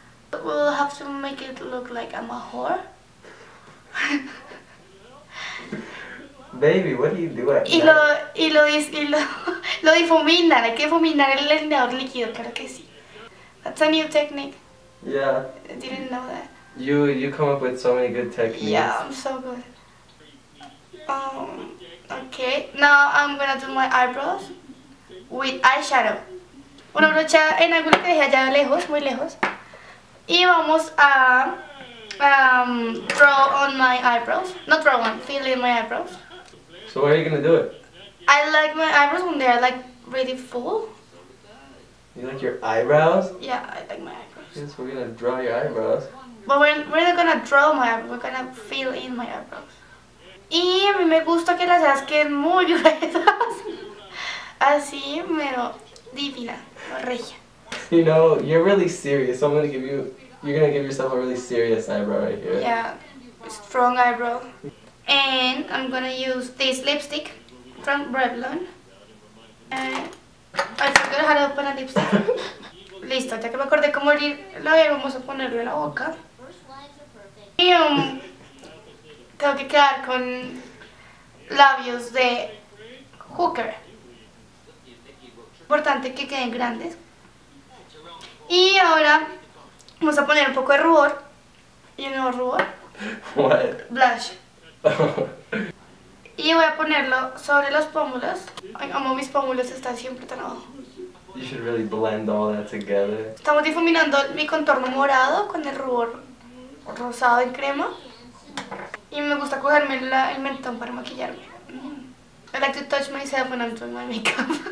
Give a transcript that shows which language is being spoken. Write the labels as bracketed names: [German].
[English] But we'll have to make it look like I'm a whore. Baby, what are you doing? [Spanish] Y lo difuminan, hay que difuminar el delineador líquido, claro que sí. [English] That's a new technique. Yeah. I didn't know that. You come up with so many good techniques. Yeah, I'm so good. Okay, now I'm gonna do my eyebrows with eyeshadow. [Spanish] Una brocha en ángulo que dejé allá lejos, muy lejos. Y vamos a [English] draw on my eyebrows. Not draw on, fill in my eyebrows. So where are you gonna do it? I like my eyebrows when they're like really full. You like your eyebrows? Yeah, I like my eyebrows. Yes, we're gonna draw your eyebrows. But we're not gonna draw my eyebrows, we're gonna fill in my eyebrows. [Spanish] Y a mí me gusta que las cejas queden muy gruesas. Así, pero divina, regia. [English] You know, you're really serious, so I'm gonna give you... You're gonna give yourself a really serious eyebrow right here. Yeah, strong eyebrow. And I'm gonna use this lipstick from Revlon. I forgot how to open a lipstick. [Spanish] Listo, ya que me acordé cómo abrirlo, vamos a ponerlo en la boca. Y tengo que quedar con labios de hooker. Importante que queden grandes. Y ahora vamos a poner un poco de rubor. ¿Y un nuevo rubor? [English] What? Blush. [Spanish] Y voy a ponerlo sobre los pómulos. Ay, amo mis pómulos, están siempre tan abajo. [English] You should really blend all that together. [Spanish] Estamos difuminando mi contorno morado con el rubor rosado en crema. Y me gusta cogerme el mentón para maquillarme. [English] I like to touch myself when I'm doing my makeup.